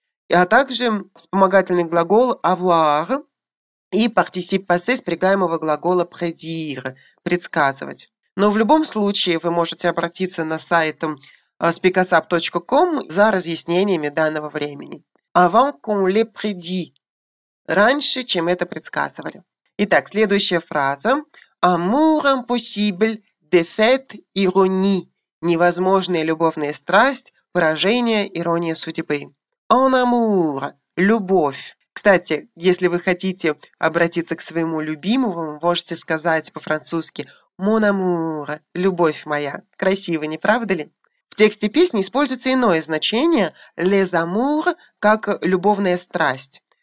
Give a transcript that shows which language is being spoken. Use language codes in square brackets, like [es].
[ru] А также вспомогательный глагол avoir и participe passé спрягаемого глагола prédire – предсказывать. Но в любом случае вы можете обратиться на сайт speakasap.com за разъяснениями данного времени. [fr] Avant qu'on le prédit – [ru] раньше, чем это предсказывали. Итак, следующая фраза. [fr] Amour impossible, défaite, ironie. [ru] Невозможная любовная страсть, поражение, ирония судьбы. [fr] En amour. Любовь. [ru] Кстати, если вы хотите обратиться к своему любимому, можете сказать по-французски [fr] «Mon amour». [ru] Любовь моя. Красиво, не правда ли? В тексте песни используется иное значение «les amours» как «любовная страсть».